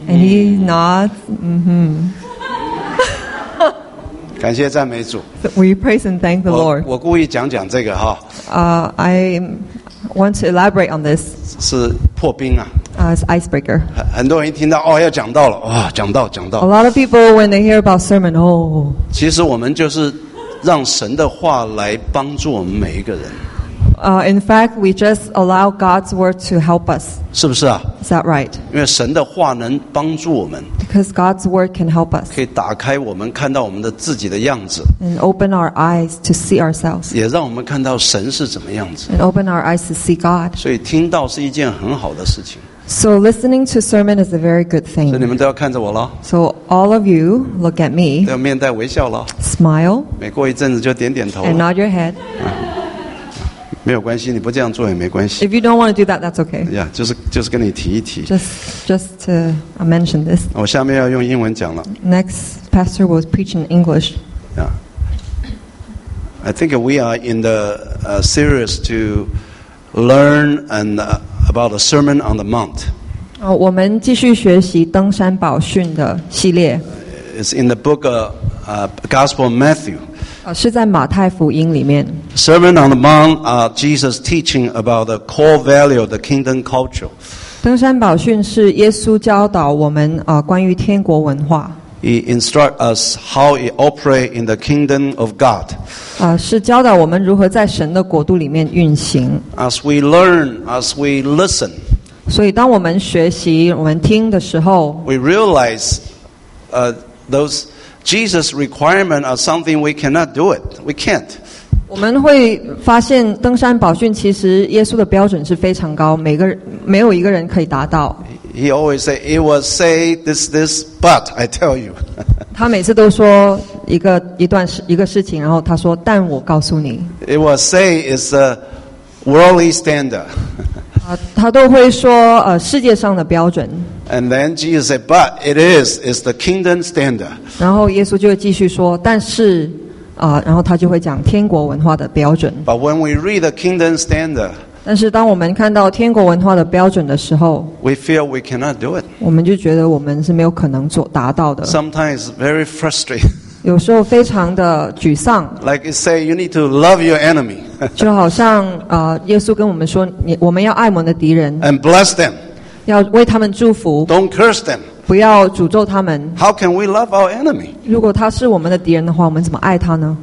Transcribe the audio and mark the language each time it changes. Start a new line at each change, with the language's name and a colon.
English: And he nods.
Chinese: 感谢赞美主。
English: We praise and thank the Lord.
Chinese: 我故意讲讲这个哈。
English: I want to elaborate on this.
Chinese: 是破冰啊。
English: It's icebreaker.
Chinese: 很多人一听到哦要讲到了哇、哦、讲到。
English: A lot of people when they hear about sermon, oh.
Chinese: 其实我们就是让神的话来帮助我们每一个人。
English: In fact, we just allow God's word to help us.
Chinese: 是不是啊?
English: Is that right?
Chinese: 因为神的话能帮助我们。
English: Because God's word can help us.
Chinese: 可以打开我们看到我们的自己的样子。
English: And open our eyes to see ourselves.
Chinese: 也让我们看到神是怎么样子。
English: And open our eyes to see God.
Chinese: 所以听到是一件很好的事情。
English: So listening to sermon is a very good thing.
Chinese: 所以你们都要看着我了。
English: So all of you look at me.
Chinese: 都要面带微笑了。
English: Smile.
Chinese: 每过一阵子就点点头。
English: And nod your head.
Chinese: 没有关系，你不这样做也没关系。
English: If you don't want to do that, that's okay.
Chinese: Yeah, 就是跟你提一提。
English: Just to mention this.
Chinese: 我下面要用英文讲了。
English: Next pastor will preach in English. Yeah. I think we are in the series to learn and about the Sermon on the Mount.
Chinese: 我们继续学习登山宝训的系列。
English: It's in the book of Gospel of Matthew.
Chinese: 是在马太福音里面。
English: Sermon on the Mount, Jesus teaching about the core value of the kingdom culture.
Chinese: 登山宝训是耶稣教导我们关于天国文化。
English: He instruct us how it operate in the kingdom of God.
Chinese: 是教导我们如何在神的国度里面运行。
English: As we learn, as we listen.
Chinese: 所以当我们学习，我们听的时候。
English: We realize, those Jesus requirement are something we cannot do it. We can't.
Chinese: 我们会发现登山宝训其实耶稣的标准是非常高每个人没有一个人可以达到
English: He always say it will say this but I tell you
Chinese: 他每次都说一个事情然后他说但我告诉你
English: It will say it's a worldly standard
Chinese: 他都会说世界上的标准。
English: And then Jesus said, but it is the kingdom standard.
Chinese: 然后耶稣就继续说，但是，然后他就会讲天国文化的标准。
English: But when we read the kingdom standard,
Chinese: 但是当我们看到天国文化的标准的时候,
English: we feel we cannot do it.
Chinese: 我们就觉得我们是没有可能达到的。
English: Sometimes very frustrating.
Chinese: 有时候非常的沮丧。
English: Like it say, you need to love your enemy.
Chinese: 就好像耶稣跟我们说，我们要爱我们的敌人。
English: And bless them.
Chinese: 要为他们祝福。
English: Don't curse them.
Chinese: 不要诅咒他们。
English: How can we love our enemy?
Chinese: 如果他是我们的敌人的话，我们怎么爱他呢？